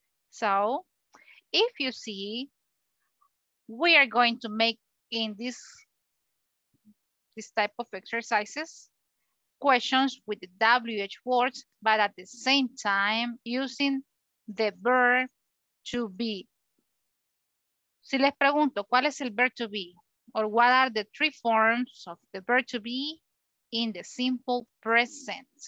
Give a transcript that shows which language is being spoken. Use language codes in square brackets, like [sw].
[en] So, if you see, we are going to make in this type of exercises questions with the WH words, but at the same time using the verb to be. [es] Si les pregunto, ¿cuál es el verb to be? [en] Or what are the three forms of the verb to be in the simple present?